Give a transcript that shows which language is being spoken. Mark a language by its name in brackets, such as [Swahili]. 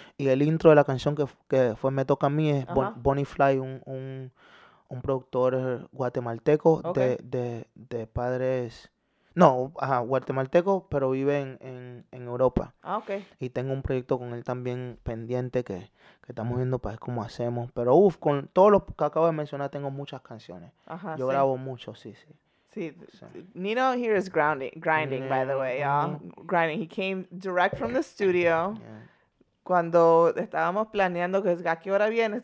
[Spanish] Y el intro de la canción que fue Me Toca a Mí es Bonnie Fly, un productor guatemalteco de padres... No, guatemalteco, pero vive en Europa. Ah, ok. Y tengo un proyecto con él también pendiente que estamos viendo para ver cómo hacemos. Pero con todos los que acabo de mencionar, tengo muchas canciones. Ajá, yo grabo mucho, sí. [English] Sí, Nino here is grinding, by the way, y'all. Grinding. He came direct from the studio. [Spanish] Cuando estábamos planeando, que ¿a qué hora viene?